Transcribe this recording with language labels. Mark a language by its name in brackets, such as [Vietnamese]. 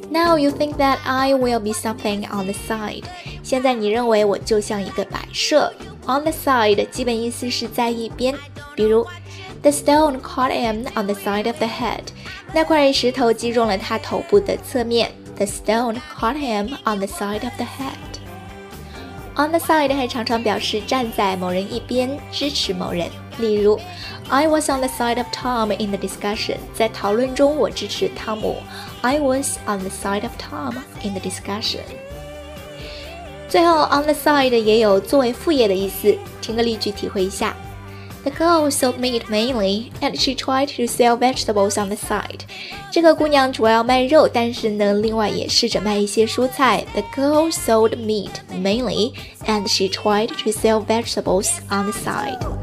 [English] Now you think that I will be something on the side. [Chinese] 现在你认为我就像一个摆设。 On the side 基本意思是在一边，比如 [English] The stone caught him on the side of the head. [Chinese] 那块石头击中了他头部的侧面。 [English] The stone caught him on the side of the head. [Chinese] On the side 还常常表示站在某人一边，支持某人。例如 [English] I was on the side of Tom in the discussion. [Chinese] 在讨论中我支持汤姆。 [English] I was on the side of Tom in the discussion. [Chinese] 最后 on the side 也有作为副业的意思，听个例句体会一下。 [English] The girl sold meat mainly and she tried to sell vegetables on the side. [Chinese] 这个姑娘主要卖肉，但是呢另外也试着卖一些蔬菜。 [English] The girl sold meat mainly and she tried to sell vegetables on the side.